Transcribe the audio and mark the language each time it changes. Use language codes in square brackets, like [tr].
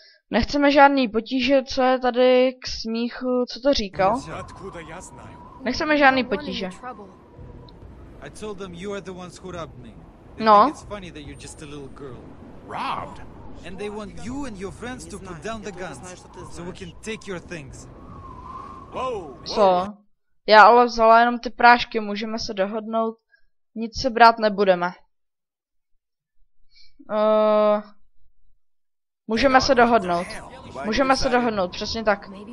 [cs] Nechceme žádný potíže, co je tady k smíchu, co to říkal? Nechceme žádný potíže. [en] I told them you are the ones who robbed me. No. It's funny that you're just a little girl. Robbed. And they want you and your friends to put down the guns so we can take your things. [cs] Co? Já ale vzala jenom ty prášky, můžeme se dohodnout. Nic se brát nebudeme. Můžeme se dohodnout. Můžeme se dohodnout, přesně tak.